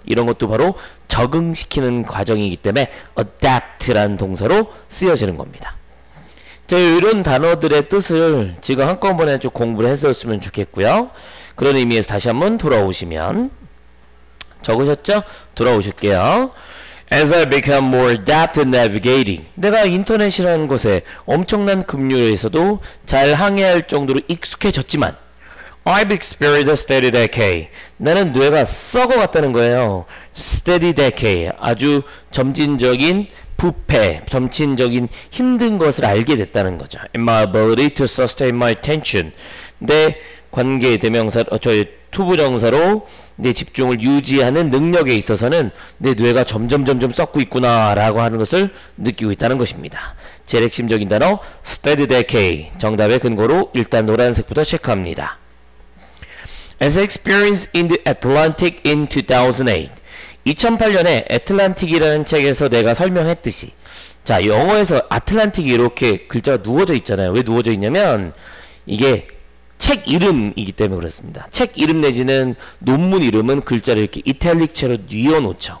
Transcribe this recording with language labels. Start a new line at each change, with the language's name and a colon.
Korean: 이런 것도 바로 적응시키는 과정이기 때문에 adapt라는 동사로 쓰여지는 겁니다. 자, 이런 단어들의 뜻을 지금 한꺼번에 좀 공부를 했었으면 좋겠고요. 그런 의미에서 다시 한번 돌아오시면 적으셨죠? 돌아오실게요.
English: As I become more adept at navigating.
Korean: 내가 인터넷이라는 것에 엄청난 급류에서도 잘 항해할 정도로 익숙해졌지만
English: I've experienced a steady decay.
Korean: 나는 뇌가 썩어갔다는 거예요. Steady decay. 아주 점진적인 부패, 점진적인 힘든 것을 알게 됐다는 거죠.
English: In my ability to sustain my attention.
Korean: 내 관계 대명사, 저의 투부정사로 내 집중을 유지하는 능력에 있어서는 내 뇌가 점점 썩고 있구나 라고 하는 것을 느끼고 있다는 것입니다. 제일 핵심적인 단어 Steady Decay. 정답의 근거로 일단 노란색부터 체크합니다.
English: As I experienced in the Atlantic in 2008.
Korean: 2008년에 Atlantic이라는 책에서 내가 설명했듯이 자 영어에서 Atlantic 이렇게 글자가 누워져 있잖아요. 왜 누워져 있냐면 이게 책 이름이기 때문에 그렇습니다. 책 이름 내지는 논문 이름은 글자를 이렇게 이탈릭체로 뉘어놓죠.